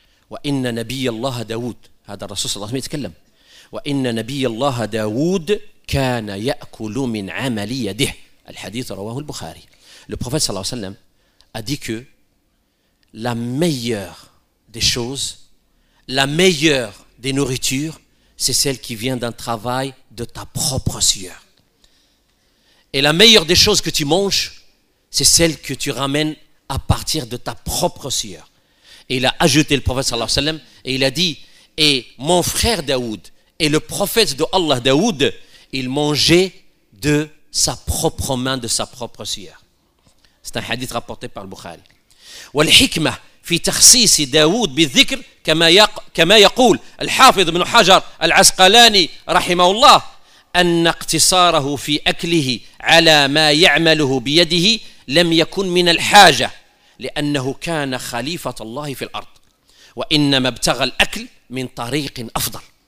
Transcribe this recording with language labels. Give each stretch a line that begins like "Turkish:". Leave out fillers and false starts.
Arabic: وإن نبي الله داود هذا الرسول صلى الله عليه وسلم يتكلم وإن نبي الله داود كان يأكل من عمل يده الحديث رواه البخاري
French: Le prophète sallallahu alayhi wa sallam a dit que la meilleure des choses, la meilleure des nourritures, c'est celle qui vient d'un travail de ta propre sueur. Et la meilleure des choses que tu manges, c'est celle que tu ramènes à partir de ta propre sueur. Et il a ajouté le prophète sallallahu alayhi wa sallam et il a dit, et mon frère Daoud et le prophète de Allah Daoud, il mangeait de sa propre main, de sa propre sueur. C'est un hadith rapporté par le Bukhari.
Arabic: والحكمة في تخصيص داود بالذكر كما يقول الحافظ ابن حجر العسقلاني رحمه الله أن اقتصاره في أكله على ما يعمله بيده لم يكن من الحاجة لأنه كان خليفة الله في الأرض وإنما ابتغى الأكل من طريق أفضل